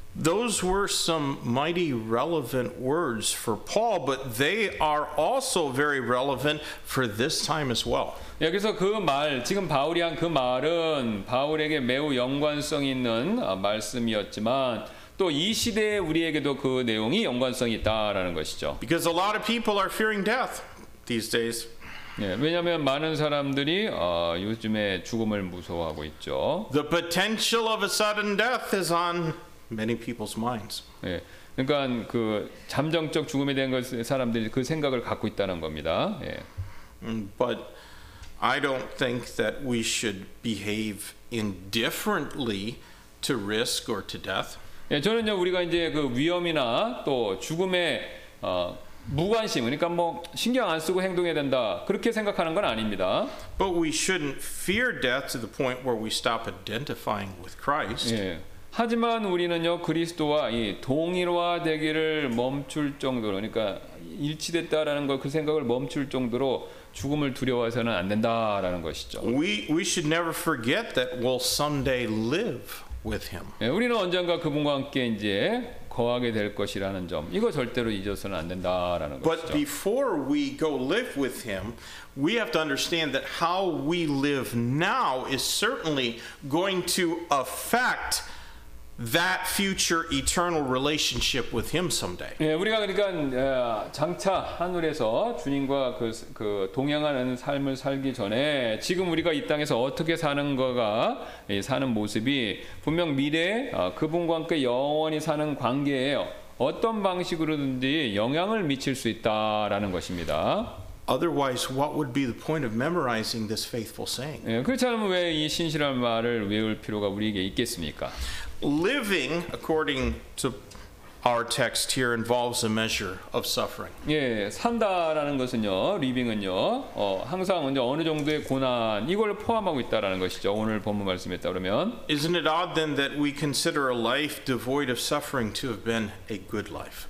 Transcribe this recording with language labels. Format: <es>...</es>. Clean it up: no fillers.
<en>Those were some mighty relevant words for Paul, but they are also very relevant for this time as well.</en> <ko>예, 그래서 그 말, 지금 바울이 한 그 말은 바울에게 매우 연관성 있는 말씀이었지만 또 이 시대에 우리에게도 그 내용이 연관성이 있다라는 것이죠.</ko> <en>Because a lot of people are fearing death these days.</en> <ko>예, 왜냐하면 많은 사람들이 요즘에 죽음을 무서워하고 있죠.</ko> <en>The potential of a sudden death is on many people's minds.</en> <ko>예, 그러니까 그 잠정적 죽음에 대한 것 사람들이 그 생각을 갖고 있다는 겁니다. 예.</ko> <en>But I don't think that we should behave indifferently to risk or to death.</en> <ko>예, 저는요 우리가 이제 그 위험이나 또 죽음에 무관심, 그러니까 뭐 신경 안 쓰고 행동해야 된다 그렇게 생각하는 건 아닙니다.</ko> <en>But we shouldn't fear death to the point where we stop identifying with Christ.</en> <ko>예. 하지만 우리는요 그리스도와 이 동일화 되기를 멈출 정도로 그러니까 일치됐다라는 걸 그 생각을 멈출 정도로 죽음을 두려워해서는 안 된다라는 것이죠.</ko> <en>We should never forget that we'll someday live with him.</en> <ko>예, 우리는 언젠가 그분과 함께 이제 거하게 될 것이라는 점 이거 절대로 잊어서는 안 된다라는</ko> <en>But</en> <ko>것이죠.</ko> <en>But before we go live with him, we have to understand that how we live now is certainly going to affect that future eternal relationship with him someday.</en> <ko>예, 우리가 그러니까 장차 하늘에서 주님과 그 동행하는 삶을 살기 전에 지금 우리가 이 땅에서 어떻게 사는 거가 예, 사는 모습이 분명 미래에 그분과 함께 영원히 사는 관계에 어떤 방식으로든지 영향을 미칠 수 있다라는 것입니다.</ko> <en>Otherwise, what would be the point of memorizing this faithful saying?</en> <ko>예, 그렇다면 왜 이 신실한 말을 외울 필요가 우리에게 있겠습니까?</ko> <en>Living according to our text here involves a measure of suffering.</en> <ko>예, 산다라는 것은요, living은요, 항상 이제 어느 정도의 고난 이걸 포함하고 있다라는 것이죠. 오늘 본문 말씀에 따르면.</ko> <en>Isn't it odd then that we consider a life devoid of suffering to have been a good life?</en>